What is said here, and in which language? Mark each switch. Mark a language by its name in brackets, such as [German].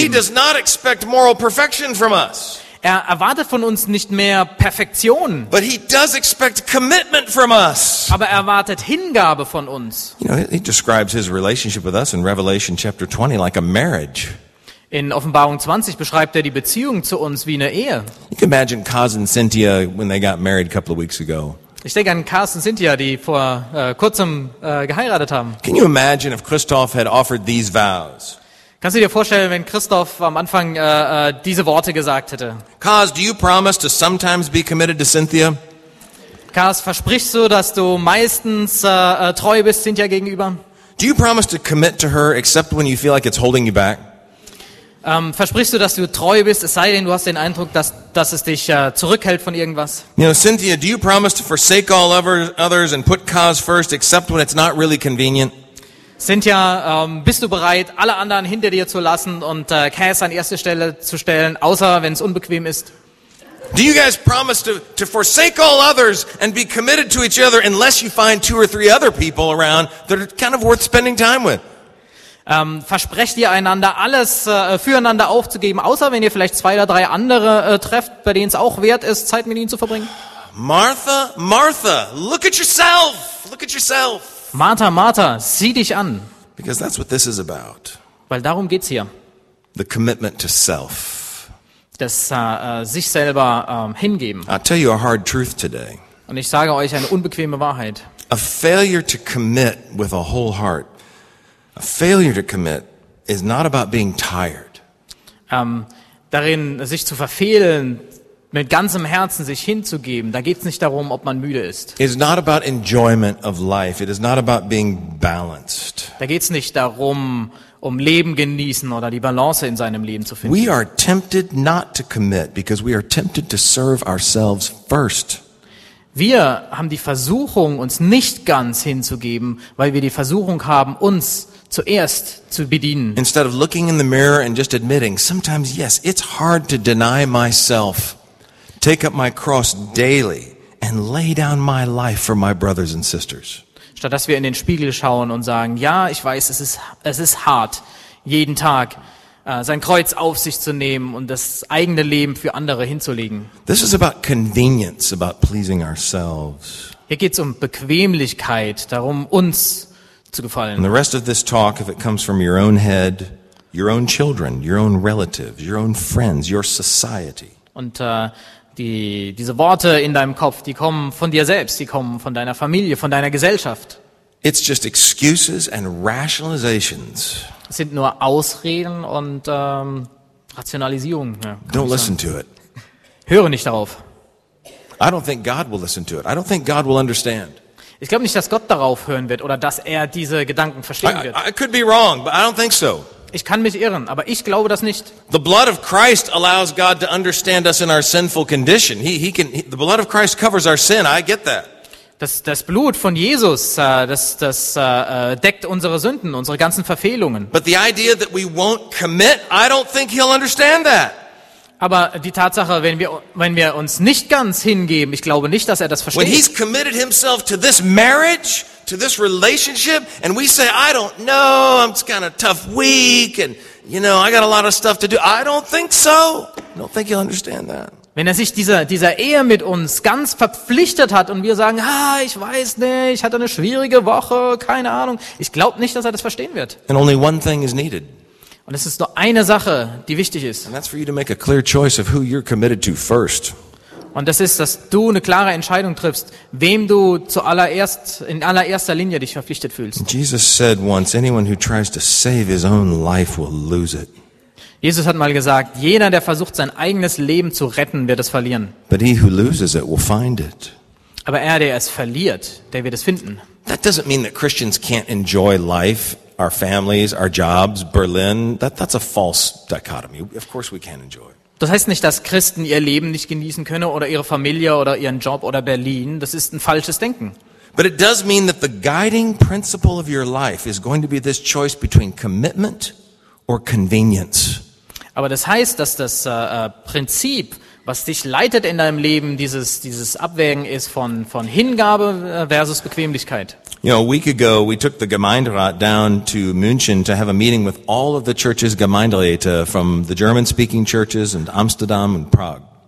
[English] He does not expect moral perfection from us. [German] Er erwartet von uns nicht mehr Perfektion. [English] But he does expect commitment from us. [German] Aber er erwartet Hingabe von uns. [English] You know, he describes his relationship with us in Revelation chapter 20 like a marriage. [German] In Offenbarung 20 beschreibt er die Beziehung zu uns wie eine Ehe. [English] You can imagine Kaz and Cynthia when they got married a couple of weeks ago. [German] Ich denke an Kaz und Cynthia, die vor kurzem geheiratet haben. [English] Can you imagine if Christoph had offered these vows? [German] Kannst du dir vorstellen, wenn Christoph am Anfang diese Worte gesagt hätte? [English] Kaz, do you promise to sometimes be committed to Cynthia? [German] Kaz, versprichst du, dass du meistens treu bist Cynthia gegenüber? [English] Do you promise to commit to her except when you feel like it's holding you back? [German] Versprichst du, dass du treu bist, es sei denn, du hast den Eindruck, dass es dich zurückhält von irgendwas? [English] You know, Cynthia, do you promise to forsake all others and put Kaz first except when it's not really convenient? [German] Cynthia, bist du bereit, alle anderen hinter dir zu lassen und Kaz an erste Stelle zu stellen, außer wenn es unbequem ist? [English] Do you guys promise to forsake all others and be committed to each other unless you find two or three other people around that are kind of worth spending time with? [German] Versprecht ihr einander, alles füreinander aufzugeben, außer wenn ihr vielleicht zwei oder drei andere trefft, bei denen es auch wert ist, Zeit mit ihnen zu verbringen? [English] Martha, Martha, look at yourself, look at yourself. [German] Martha, Martha, sieh dich an. [English] Because that's what this is about. [German] Weil darum geht's hier. [English] The commitment to self. [German] Das sich selber hingeben. [English] I'll tell you a hard truth today. [German] Und ich sage euch eine unbequeme Wahrheit. [English] A failure to commit with a whole heart. A failure to commit is not about being tired. [German] Darin sich zu verfehlen, mit ganzem Herzen sich hinzugeben, da geht's nicht darum, ob man müde ist. [English] It's not about enjoyment of life. It is not about being balanced. [German] Da geht's nicht darum, um Leben genießen oder die Balance in seinem Leben zu finden. [English] We are tempted not to commit because we are tempted to serve ourselves first. [German] Wir haben die Versuchung, uns nicht ganz hinzugeben, weil wir die Versuchung haben, uns zuerst zu bedienen. [English] Instead of looking in the mirror and just admitting, sometimes yes, it's hard to deny myself, take up my cross daily and lay down my life for my brothers and sisters. [German] Statt dass wir in den Spiegel schauen und sagen, ja, ich weiß, es ist hart, jeden Tag sein Kreuz auf sich zu nehmen und das eigene Leben für andere hinzulegen. [English] This is about convenience, about pleasing ourselves. [German] Hier geht's um Bequemlichkeit, darum uns zu gefallen. [English] And the rest of this talk, if it comes from your own head, your own children, your own relatives, your own friends, your society. [German] Und diese Worte in deinem Kopf, die kommen von dir selbst, die kommen von deiner Familie, von deiner Gesellschaft. [English] It's just excuses and rationalizations. [German] Es sind nur Ausreden und Rationalisierungen. Ja, [English] don't listen to it. [German] Höre nicht darauf. [English] I don't think God will listen to it. I don't think God will understand. [German] Ich glaube nicht, dass Gott darauf hören wird oder dass er diese Gedanken verstehen wird. [English] I could be wrong, but I don't think so. [German] Ich kann mich irren, aber ich glaube das nicht. [English] The blood of Christ allows God to understand us in our sinful condition. The blood of Christ covers our sin. I get that. [German] Das Blut von Jesus, das deckt unsere Sünden, unsere ganzen Verfehlungen. [English] But the idea that we won't commit, I don't think he'll understand that. [German] Aber die Tatsache, wenn wir uns nicht ganz hingeben, ich glaube nicht, dass er das versteht. [English] When he's committed himself to this marriage, to this relationship, and we say, I don't know, I'm just kind of tough week, and you know, I got a lot of stuff to do. I don't think so. I don't think he'll understand that. [German] Wenn er sich dieser Ehe mit uns ganz verpflichtet hat und wir sagen, ah, ich weiß nicht, ich hatte eine schwierige Woche, keine Ahnung, ich glaube nicht, dass er das verstehen wird. [English] And only one thing is needed. [German] Und es ist nur eine Sache, die wichtig ist. [English] And that's for you to make a clear choice of who you're committed to first. [German] Und das ist, dass du eine klare Entscheidung triffst, wem du in allererster Linie dich verpflichtet fühlst. [English] Jesus said once, anyone who tries to save his own life will lose it. [German] Jesus hat mal gesagt, jeder, der versucht, sein eigenes Leben zu retten, wird es verlieren. [English] But he who loses it will find it. [German] Aber er, der es verliert, der wird es finden. [English] That doesn't mean that Christians can't enjoy life, our families, our jobs, Berlin. That's a false dichotomy. Of course we can enjoy. [German] Das heißt nicht, dass Christen ihr Leben nicht genießen können oder ihre Familie oder ihren Job oder Berlin. Das ist ein falsches Denken. [English] But it does mean that the guiding principle of your life is going to be this choice between commitment or convenience. [German] Aber das heißt, dass das Prinzip, was dich leitet in deinem Leben, dieses Abwägen ist von Hingabe versus Bequemlichkeit. [English] You know, a week ago we took the Gemeinderat down to München to have a meeting with all of the churches Gemeinderäte from the German speaking churches and Amsterdam and Prague.